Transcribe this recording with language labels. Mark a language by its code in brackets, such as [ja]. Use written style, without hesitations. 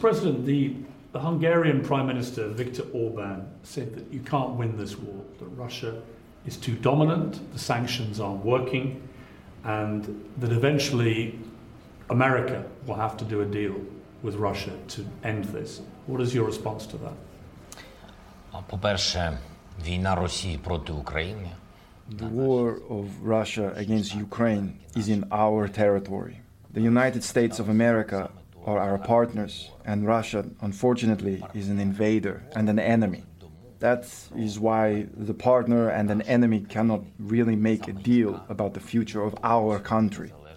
[en] President, the Hungarian Prime Minister, Viktor Orban, said that you can't win this war, that Russia is too dominant, the sanctions aren't working, and that eventually America will have to do a deal with Russia to end this. What is your response to that? [uk] По-перше, війна Росії проти України. [en] The war of Russia against Ukraine is in our territory. The United States of America are our partners, and Russia, unfortunately, is an invader and an enemy. That is why the partner and an enemy cannot really make a deal about the future of our country.